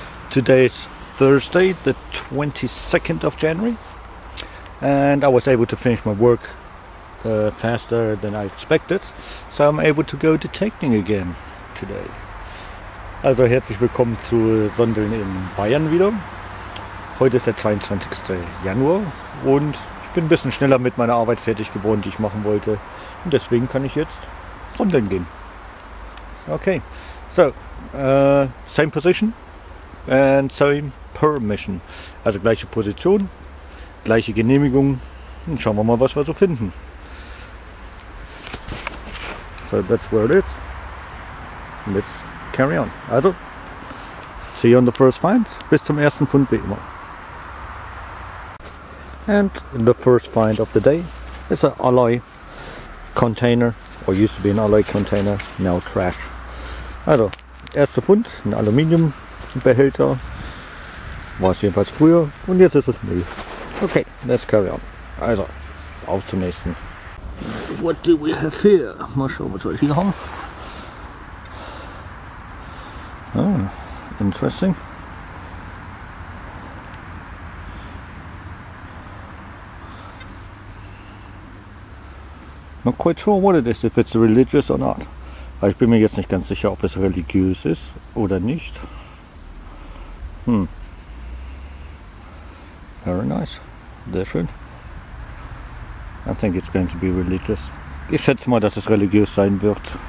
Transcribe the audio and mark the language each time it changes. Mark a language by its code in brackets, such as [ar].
[en] Today is Thursday, the 22nd of January, and I was able to finish my work faster than I expected, so I'm able to go detecting again today. [de] Also, herzlich willkommen zu Sondeln in Bayern wieder. Heute ist der 22. Januar und ich bin ein bisschen schneller mit meiner Arbeit fertig geworden, die ich machen wollte, und deswegen kann ich jetzt sondeln gehen. [en] Okay, so, same position and same permission. [de] Also gleiche Position, gleiche Genehmigung. Und schauen wir mal, was wir so finden. [en] So, that's where it is. Let's carry on. Also, see you on the first find. [de] Bis zum ersten Fund, wie immer. [en] And the first find of the day is an alloy container, or used to be an alloy container, now trash. [de] Also, erster Fund, ein Aluminiumbehälter, war es jedenfalls früher, und jetzt ist es Müll. [en] Okay, let's carry on. [de] Also, auf zum nächsten. [en] What do we have here? [de] Mal schauen, was wir hier haben. [en] Oh, interesting. Not quite sure what it is, if it's religious or not. [de] Ich bin mir jetzt nicht ganz sicher, ob es religiös ist oder nicht. [en] Very nice. [de] Sehr schön. [en] I think it's going to be religious. [de] Ich schätze mal, dass es religiös sein wird.